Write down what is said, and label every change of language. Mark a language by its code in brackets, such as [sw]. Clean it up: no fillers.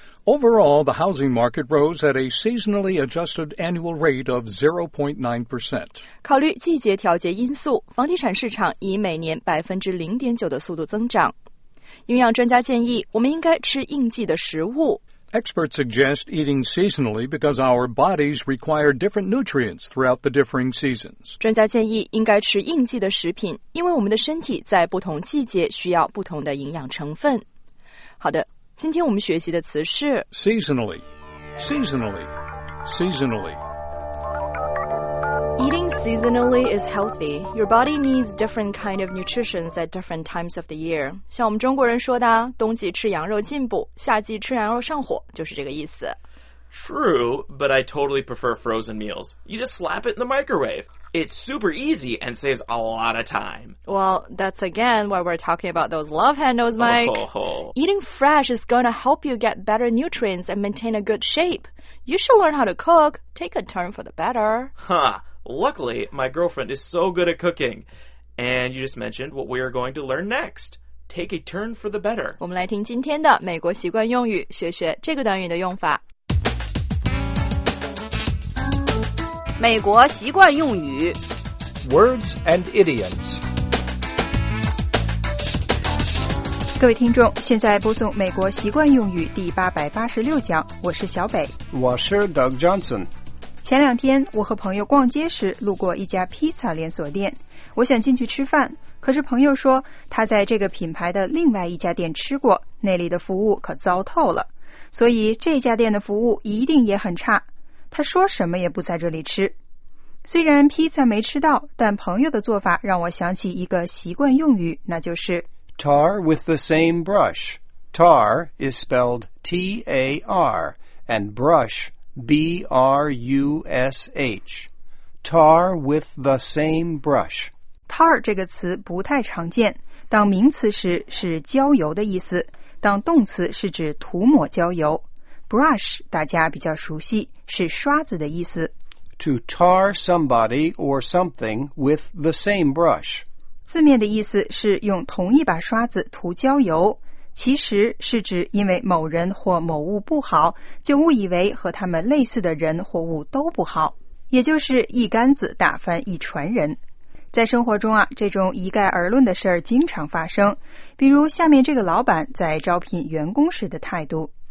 [en] Overall, the housing market rose at a seasonally adjusted annual rate of 0.9%. [zh] 考虑季节调节因素，房地产市场以每年 0.9% 的速度增长。营养专家建议，我们应该吃应季的食物。 [en] Experts suggest eating seasonally because our bodies require different nutrients throughout the differing seasons. [zh] 专家建议应该吃应季的食品，因为我们的身体在不同季节需要不同的营养成分。好的，今天我们学习的词是 [en] seasonally, seasonally, seasonally. Eating seasonally is healthy. Your body needs different kind of nutrition at different times of the year. [zh] 像我们中国人说的，冬季吃羊肉进补，夏季吃羊肉上火，就是这个意思。 [en] True, but I totally prefer frozen meals. You just slap it in the microwave. It's super easy and saves a lot of time. Well, that's again why we're talking about those love handles, Mike. Oh, ho, ho. Eating fresh is going to help you get better nutrients and maintain a good shape. You should learn how to cook. Take a turn for the better. Huh. Luckily, my girlfriend is so good at cooking. And you just mentioned what we are going to learn next. Take a turn for the better. [zh] 我们来听今天的美国习惯用语，学学这个短语的用法。美国习惯用语。 [en] Words and idioms. [zh] 各位听众，现在播送美国习惯用语第886讲，我是小北。我是 Doug Johnson。前两天我和朋友逛街时路过一家披萨连锁店，我想进去吃饭，可是朋友说他在这个品牌的另外一家店吃过，那里的服务可糟透了，所以这家店的服务一定也很差，他说什么也不在这里吃。虽然披萨没吃到，但朋友的做法让我想起一个习惯用语，那就是 [en] Tar with the same brush. Tar is spelled T-A-R and brushBRUSH Tar with the same brush [zh] Tar 这个词不太常见，当名词时是焦油的意思，当动词是指涂抹焦油。 Brush 大家比较熟悉，是刷子的意思。 [en] To tar somebody or something with the same brush [zh] 字面的意思是用同一把刷子涂焦油，其实是指因为某人或某物不好，就误以为和他们类似的人或物都不好，也就是一竿子打翻一船人。在生活中啊，这种一概而论的事儿经常发生，比如下面这个老板在招聘员工时的态度。